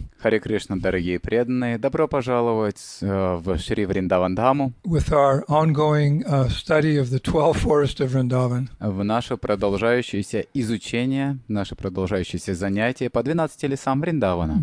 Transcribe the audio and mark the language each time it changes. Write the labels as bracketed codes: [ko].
[ru] Hare Krishna, дорогие преданные, добро пожаловать в Шри Вриндаван Даму. [en] With our ongoing study of the 12 forests of Vrindavan. [ru] В наше продолжающееся изучение, наше продолжающееся занятие по 12 лесам Вриндавана.